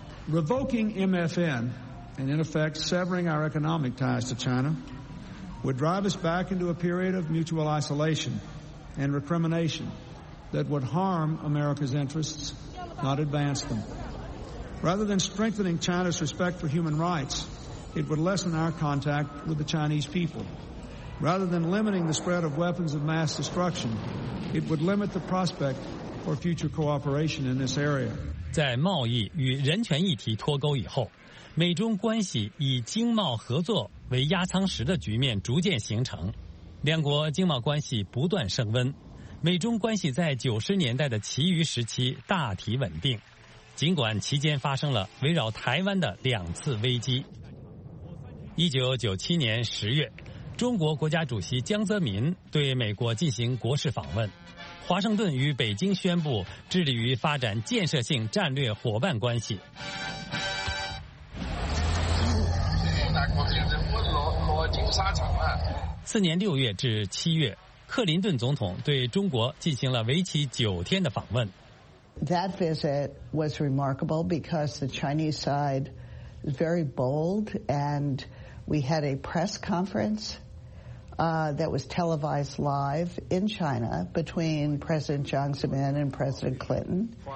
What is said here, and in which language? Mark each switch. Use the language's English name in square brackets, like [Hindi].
[English] Revoking MFN and, in effect, severing our economic ties to China would drive us back into a period of mutual isolation and recrimination that would harm America's interests, not advance them. Rather than strengthening China's respect for human rights, it would lessen our contact with the Chinese people. Rather than limiting the spread of weapons of mass destruction, it would limit the prospect for future cooperation in this area. [Chinese] 在贸易与人权议题脱钩以后，美中关系以经贸合作为压舱石的局面逐渐形成，两国经贸关系不断升温，美中关系在90年代的其余时期大体稳定，尽管期间发生了围绕台湾的两次危机。 1997年10月，中国国家主席江泽民对美国进行国事访问，华盛顿与北京宣布致力于发展建设性战略伙伴关系。 4年6月至7月，克林顿总统对中国进行了为期9天的访问。 [English] That visit was remarkable because the Chinese side is very bold, and we had a press conference. That was televised live in China between President Jiang Zemin and President Clinton.